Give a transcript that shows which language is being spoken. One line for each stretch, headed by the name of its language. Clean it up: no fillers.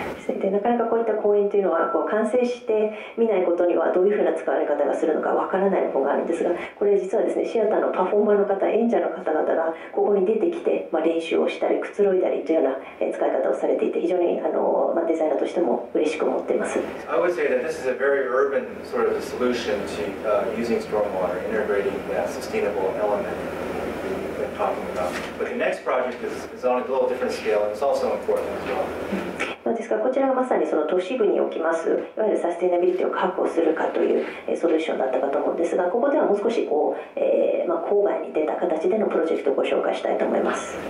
Japanese: でなかなかこういった公園というのはこう完成してみないことにはどういうふうな使われ方がするのかわからない方があるんですが、これ実はですね、シアターのパフォーマーの方、演者の方々がここに出てきて、練習をしたりくつろいだりというような使い方をされていて、非常にデザイナーとしても嬉しく思っています。
English: I would say that this is a very urban sort of solution to using stormwater, integrating that sustainable element we've been talking about. But the next project is on a little different scale and it's also important as well.
Japanese: ですからこちらがまさにその都市部におきますいわゆるサステイナビリティを確保するかというソリューションだったかと思うんですが、ここではもう少しこう、郊外に出た形でのプロジェクトをご紹介したいと思います。